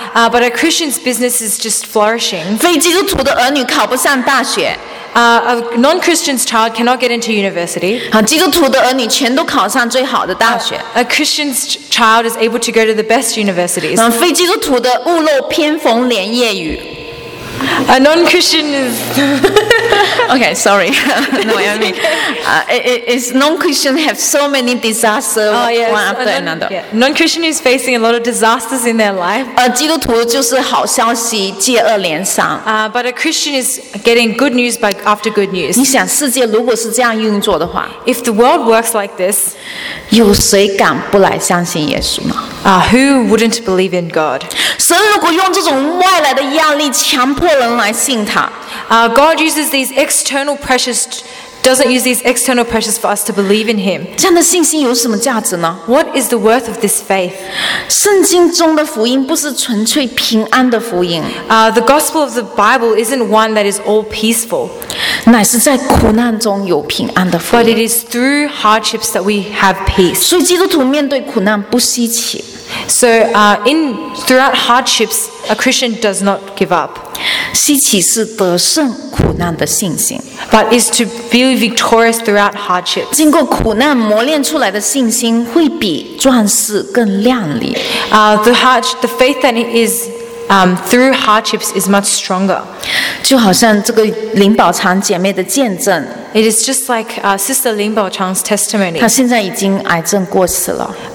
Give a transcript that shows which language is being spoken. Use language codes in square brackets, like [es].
[en] But a Christian's business is just flourishing. [zh] 非基督徒的儿女考不上大学。 [en] A non-Christian's child cannot get into university. [zh] 基督徒的儿女全都考上最好的大学。 [en] A Christian's child is able to go to the best universities. [zh] 非基督徒的屋漏偏逢连夜雨。 [en] A non-Christian is okay. Sorry, no, I mean, it's non-Christian have so many disasters one after another. Yeah. Non-Christian is facing a lot of disasters in their life. [zh] 基督徒就是好消息接二连三。 [en] But a Christian is getting good news by after good news. [zh] 你想世界如果是这样运作的话 [en] ，If the world works like this, [zh] 有谁敢不来相信耶稣呢？ [en] Who wouldn't believe in God? [zh] 神如果用这种外来的压力强迫人来信他。 [en] God uses these external pressures, doesn't use these external pressures for us to believe in Him. [zh] 这样的信心有什么价值呢？ [en] What is the worth of this faith? [zh] 圣经中的福音不是纯粹平安的福音。 [en] The gospel of the Bible isn't one that is all peaceful. [zh] 乃是在苦难中有平安的福音。 [en] But it is through hardships that we have peace. [zh] 所以基督徒面对苦难不稀奇。 [en] So throughout hardships, a Christian does not give up. [zh] 稀奇是得胜苦难的信心。 [en] But is to be victorious throughout hardships. [zh] 经过苦难磨练出来的信心会比钻石更亮丽。 [en] The faith that is through hardships is much stronger. [zh] 就好像这个林宝昌姐妹的见证。 [en] It is just like Sister Lin Baochang's testimony. [zh] 她现在已经癌症过世了。